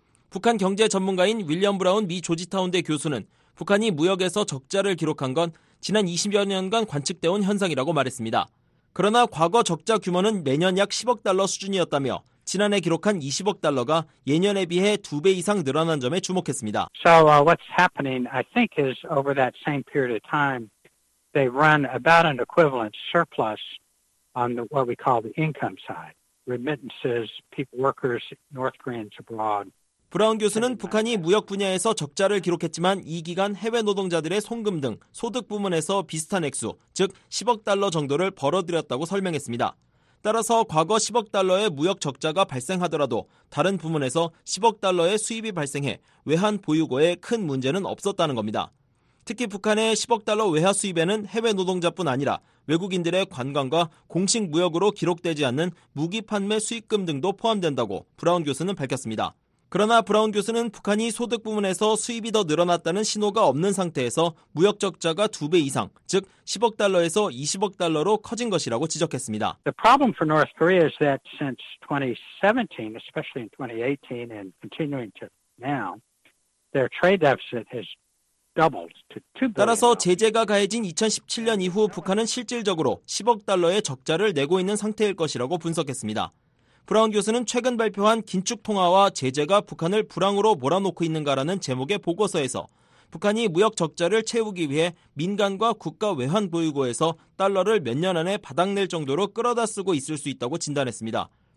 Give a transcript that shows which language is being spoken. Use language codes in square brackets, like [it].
[ko] 북한 경제 전문가인 윌리엄 브라운 미 조지타운대 교수는 북한이 무역에서 적자를 기록한 건 지난 20여 년간 관측되어 온 현상이라고 말했습니다. 그러나 과거 적자 규모는 매년 약 10억 달러 수준이었다며 지난해 기록한 20억 달러가 예년에 비해 2배 이상 늘어난 점에 주목했습니다. [en] So what's happening, I think, is over that same period of time, they run about an equivalent surplus on the, what we call the income side, remittances, people, workers, North Koreans abroad. [ko] 브라운 교수는 북한이 무역 분야에서 적자를 기록했지만 이 기간 해외 노동자들의 송금 등 소득 부문에서 비슷한 액수, 즉 10억 달러 정도를 벌어들였다고 설명했습니다. 따라서 과거 10억 달러의 무역 적자가 발생하더라도 다른 부문에서 10억 달러의 수입이 발생해 외환 보유고에 큰 문제는 없었다는 겁니다. 특히 북한의 10억 달러 외화 수입에는 해외 노동자뿐 아니라 외국인들의 관광과 공식 무역으로 기록되지 않는 무기 판매 수익금 등도 포함된다고 브라운 교수는 밝혔습니다. 그러나 브라운 교수는 북한이 소득 부문에서 수입이 더 늘어났다는 신호가 없는 상태에서 무역 적자가 2배 이상, 즉 10억 달러에서 20억 달러로 커진 것이라고 지적했습니다. [en] The problem for North Korea is that since 2017, especially in 2018 and continuing to now, their trade deficit has [ko] 따라서 제재가 가해진 2017년 이후 북한은 실질적으로 10억 달러의 적자를 내고 있는 상태일 것이라고 분석했습니다. 브라운 교수는 최근 발표한 긴축 통화와 제재가 북한을 불황으로 몰아넣고 있는가라는 제목의 보고서에서 북한이 무역 적자를 채우기 위해 민간과 국가 외환 보유고에서 달러를 몇 년 안에 바닥낼 정도로 끌어다 쓰고 있을 수 있다고 진단했습니다.